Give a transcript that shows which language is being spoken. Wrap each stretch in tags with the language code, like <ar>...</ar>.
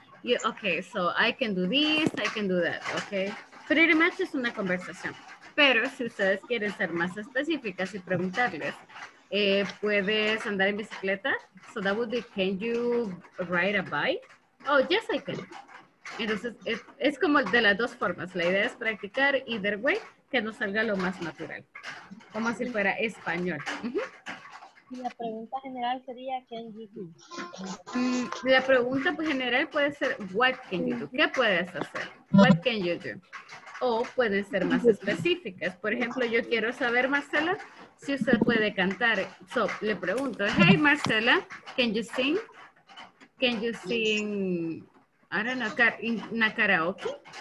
<en>You, okay, so I can do this, I can do that, okay? Pretty much</en> <es>es una conversación. Pero si ustedes quieren ser más específicas y preguntarles, ¿puedes andar en bicicleta?</es> <en>So that would be, can you ride a bike? Oh, yes, I can.</en> <es>Entonces, es como de las dos formas. La idea es practicar</es> <en>either way,</en> <es>que nos salga lo más natural. Como si fuera español. Y la pregunta general sería,</es> <en>can you do?</en> <es>La pregunta general puede ser,</es> <en>what can you do?</en> <es>¿Qué puedes hacer?</es> <en>What can you do?</en> <es>O pueden ser más específicas. Por ejemplo, yo quiero saber, Marcela, si usted puede cantar.</es> <en>So,</en> <es>le pregunto,</es> <en>hey, Marcela, can you sing? Can you sing, I don't know, in a karaoke?</en>